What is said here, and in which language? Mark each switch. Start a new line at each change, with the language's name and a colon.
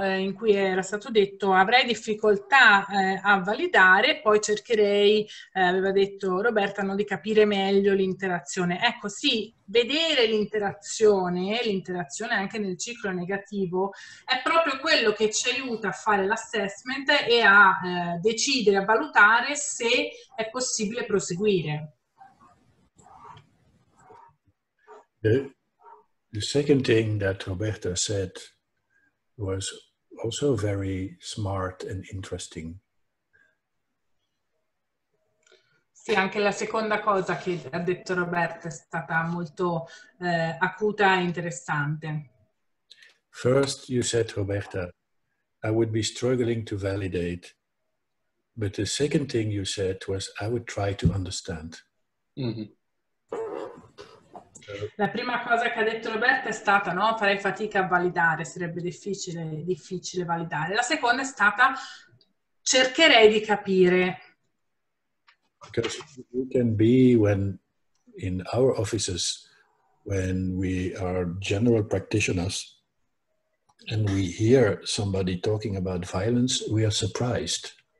Italian: In cui era stato detto avrei difficoltà a validare, poi cercherei, aveva detto Roberta, no, di capire meglio l'interazione. Ecco, sì, vedere l'interazione anche nel ciclo negativo è proprio quello che ci aiuta a fare l'assessment e a decidere, a valutare se è possibile proseguire.
English: The second thing that Roberta said was also very smart and interesting.
Italian: Sì, anche la seconda cosa che ha detto Roberta è stata molto acuta e interessante.
English: First, you said, Roberta, I would be struggling to validate. But the second thing you said was, I would try to understand. Mm-hmm.
Italian: La prima cosa che ha detto Roberta è stata, no, farei fatica a validare, sarebbe difficile validare. La seconda è stata, cercherei di capire.
English: Because we can be when in our offices, when we are general practitioners and we hear somebody talking about violence, we are surprised.